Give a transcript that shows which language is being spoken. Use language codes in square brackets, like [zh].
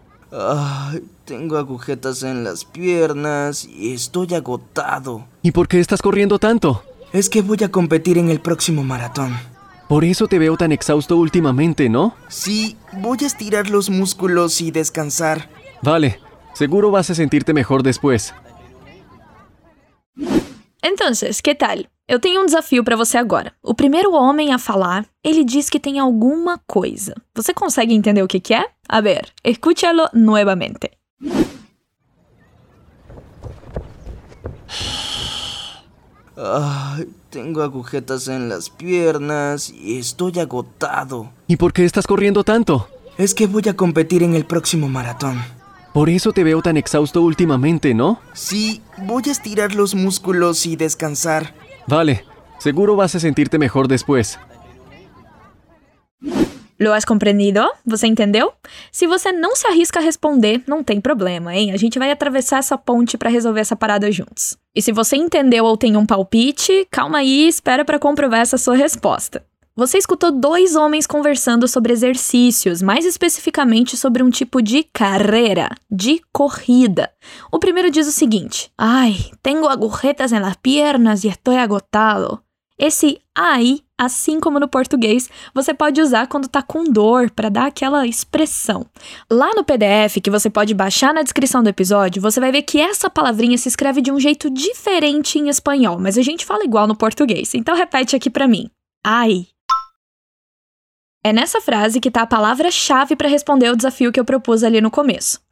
[es] Ay, tengo agujetas en las piernas y estoy agotado. ¿Y por qué estás corriendo tanto? Es que voy a competir en el próximo maratón. Por eso te veo tan exhausto últimamente, ¿no? Sí, voy a estirar los músculos y descansar. Vale, seguro vas a sentirte mejor después. Entonces, ¿qué tal? [pt] Eu tenho um desafio para você agora. O primeiro homem a falar, ele diz que tem alguma coisa. Você consegue entender o que é? [es] A ver, escúchalo nuevamente. Ay, tengo agujetas en las piernas y estoy agotado. ¿Y por qué estás corriendo tanto? Es que voy a competir en el próximo maratón. Por eso te veo tan exhausto últimamente, ¿no? Sí, voy a estirar los músculos y descansar. Vale, seguro vas a sentirte mejor después. ¿Lo has comprendido? [pt] ¿Você entendeu? Si você não se arrisca a responder, não tem problema, hein? A gente vai atravessar essa ponte para resolver essa parada juntos. E se você entendeu ou tem um palpite, calma aí e espera para comprovar essa sua resposta. Você escutou dois homens conversando sobre exercícios, mais especificamente sobre um tipo de carreira, de corrida. O primeiro diz o seguinte: [es] ai, tengo agujetas en las piernas y estoy agotado. [pt] Esse ai, assim como no português, você pode usar quando tá com dor, para dar aquela expressão. Lá no PDF, que você pode baixar na descrição do episódio, você vai ver que essa palavrinha se escreve de um jeito diferente em espanhol, mas a gente fala igual no português. Então repete aqui para mim: ai. É nessa frase que está a palavra-chave para responder o desafio que eu propus ali no começo.